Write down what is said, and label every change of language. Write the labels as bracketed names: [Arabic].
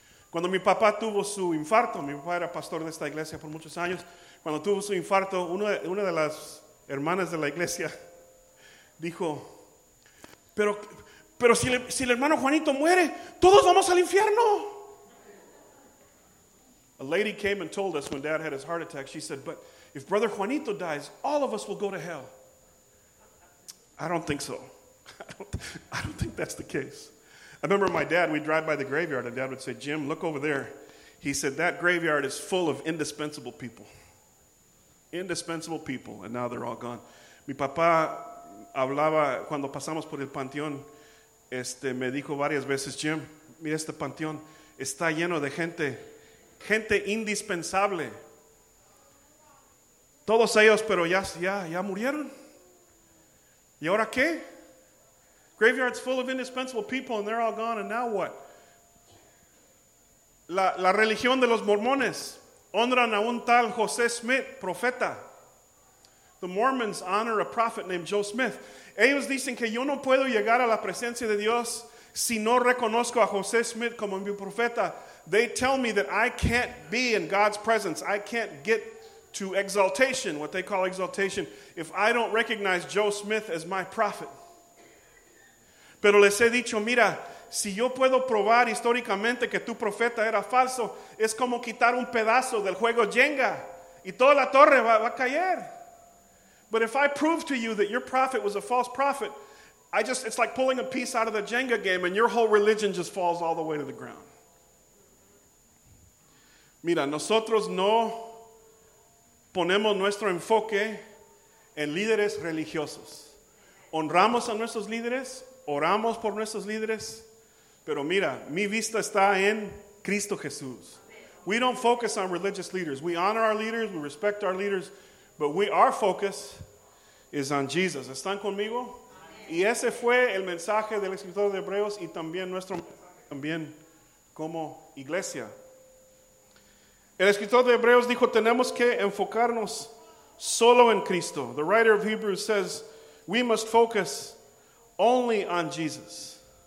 [Spanish] Cuando mi papá tuvo su infarto, mi papá era pastor de esta iglesia por muchos años. Cuando tuvo su infarto, una de las hermanas de la iglesia dijo, pero si el hermano Juanito muere, todos vamos al infierno. [English] A lady came and told us when Dad had his heart attack, she said, but if Brother Juanito dies, all of us will go to hell. I don't think so. I don't think that's the case. I remember my dad, we'd drive by the graveyard, and Dad would say, Jim, look over there. He said, that graveyard is full of indispensable people. Indispensable people, and now they're all gone. [Spanish] Mi papá hablaba cuando pasamos por el panteón, me dijo varias veces, Jim, mira este panteón, está lleno de gente indispensable. Todos ellos, pero ya murieron. ¿Y ahora qué? [English] Graveyard's full of indispensable people and they're all gone and now what? [Spanish] La religión de los mormones honran a un tal José Smith, profeta. [English] The Mormons honor a prophet named Joe Smith. [Spanish] Ellos dicen que yo no puedo llegar a la presencia de Dios si no reconozco a José Smith como mi profeta. [English] They tell me that I can't be in God's presence. I can't get to exaltation, what they call exaltation, if I don't recognize Joe Smith as my prophet. [Spanish] Pero les he dicho, mira, si yo puedo probar históricamente que tu profeta era falso, es como quitar un pedazo del juego Jenga y toda la torre va a caer. [English] But if I prove to you that your prophet was a false prophet, it's like pulling a piece out of the Jenga game and your whole religion just falls all the way to the ground. [Spanish] Mira, nosotros no ponemos nuestro enfoque en líderes religiosos. Honramos a nuestros líderes, oramos por nuestros líderes, pero mira, mi vista está en Cristo Jesús. [English] We don't focus on religious leaders. We honor our leaders, we respect our leaders, but our focus is on Jesus. [Spanish] ¿Están conmigo? Y ese fue el mensaje del escritor de Hebreos y también nuestro mensaje también como iglesia. El escritor de Hebreos dijo, tenemos que enfocarnos solo en Cristo. [English] The writer of Hebrews says, we must focus only on Jesus.